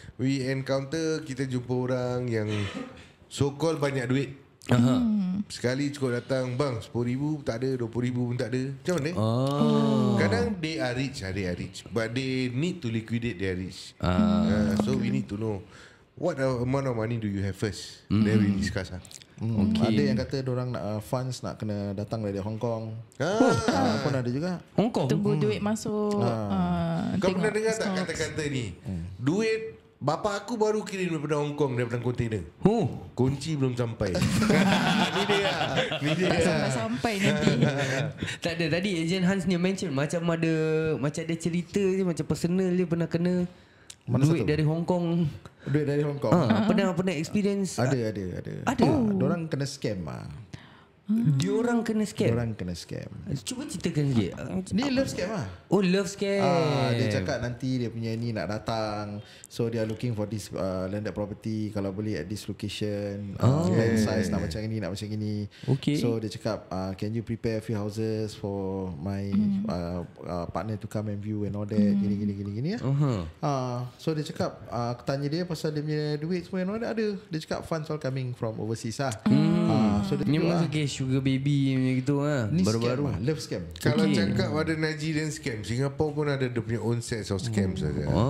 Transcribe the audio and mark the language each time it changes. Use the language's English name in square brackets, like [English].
[English] We encounter, [Malay] kita jumpa orang yang so-called banyak duit. Sekali cukup datang, bang, 10 ribu tak ada, 20 ribu pun tak ada. Macam mana? Kadang [English] they are rich, they are rich, but they need to liquidate their rich. We need to know what amount of money do you have first. Then we discuss lah. [Malay] Ada yang kata orang nak funds nak kena datang dari Hong Kong. Pun ada juga Hong Kong. Tunggu duit masuk. Kau pernah dengar stocks. Tak kata-kata ni duit bapa aku baru kirim daripada Hong Kong, daripada kontainer. Huh. Kunci belum sampai. Ni dia. Ni dia. Sampai nanti. Tak ada. Tadi Agent Hans ni mention macam ada, macam ada cerita je, macam personal dia pernah kena mana duit satu? Dari Hong Kong. Duit dari Hong Kong. Pernah experience. Ada. Diorang kena scam lah. Diorang kena scam. Diorang kena scam. Cuba ceritakan dia. Ni love scam ah. Oh, love scam. Dia cakap nanti dia punya ni nak datang. So dia [English] looking for this landed property, [Malay] kalau boleh [English] at this location, land size [Malay] nak macam ini, nak macam ini. Okay. So dia cakap, [English] can you prepare a few houses for my partner to come and view and all that. [Malay] Gini ya. So dia cakap, aku tanya dia pasal dia punya duit semua yang ada. Dia cakap [English] funds all coming from overseas ah. [Malay] So dia cakap, sugar baby macam gitu lah. Ni baru-baru scam lah. Love scam. Kalau cakap ada Nigerian scam, Singapore pun ada dia punya [English] own set of scams [Malay] saja.